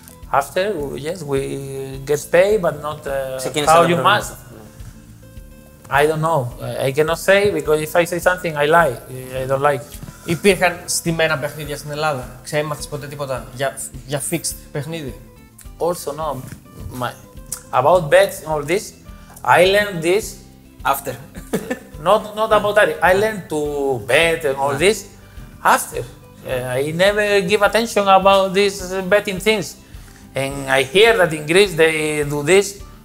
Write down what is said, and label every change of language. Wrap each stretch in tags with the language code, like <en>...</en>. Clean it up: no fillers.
<en>After, yes, we get paid, but not how you must. I don't know. I cannot say, because if I say something, I lie. I don't like.</en> <el>Υπήρχαν στημένα παιχνίδια στην Ελλάδα. Ξέμαθες ποτέ τίποτα για fixed παιχνίδι?</el> <en>Also, no. About bets and all this, I learned this after. not about that. I learned to bet and all this after. I never give attention about these betting things. And I hear that in Greece they do this.</en>